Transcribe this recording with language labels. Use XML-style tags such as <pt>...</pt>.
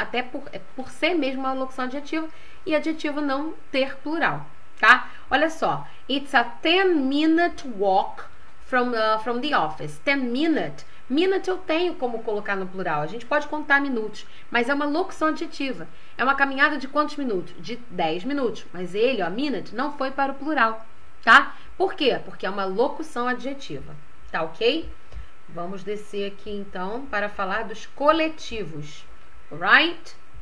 <pt>Até por ser mesmo uma locução adjetiva e adjetivo não ter plural, tá? Olha só,</pt> <en>it's a 10 minute walk from the office. 10 minute.</en> <pt>Minute eu tenho como colocar no plural. A gente pode contar minutos, mas é uma locução adjetiva. É uma caminhada de quantos minutos? De 10 minutos. Mas ele, ó, minute, não foi para o plural, tá? Por quê? Porque é uma locução adjetiva, tá ok? Vamos descer aqui, então, para falar dos coletivos, right?</pt>